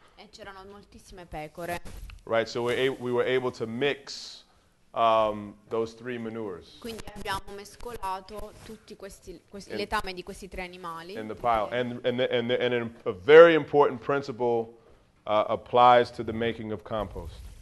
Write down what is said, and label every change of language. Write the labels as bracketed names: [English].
[Italian] E c'erano moltissime pecore. [English] Right, so we were able to mix those three manures. [Italian] Quindi abbiamo mescolato tutti questi letame di questi tre animali. [English] In the pile. And a very important principle applies to the making of compost.